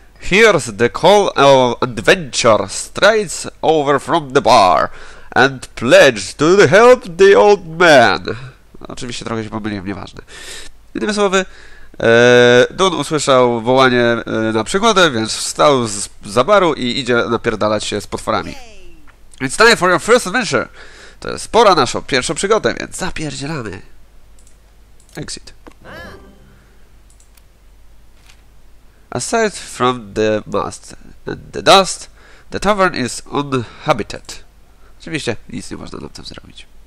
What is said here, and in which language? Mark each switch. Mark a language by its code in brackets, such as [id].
[en] Here's the call of adventure. Straight over from the bar. And pledge to help the old man. [pl] Oczywiście trochę się pomyliłem, nieważne. Innymi słowy, Dun usłyszał wołanie na przygodę, więc wstał za baru i idzie napierdalać się z potworami. [en] It's time for your first adventure. [pl] To jest pora naszą pierwszą przygodę, więc zapierdzielamy. [en] Exit. Aside from the mast and the dust, the tavern is uninhabited. [pl] Oczywiście, nic nie można nam tam zrobić.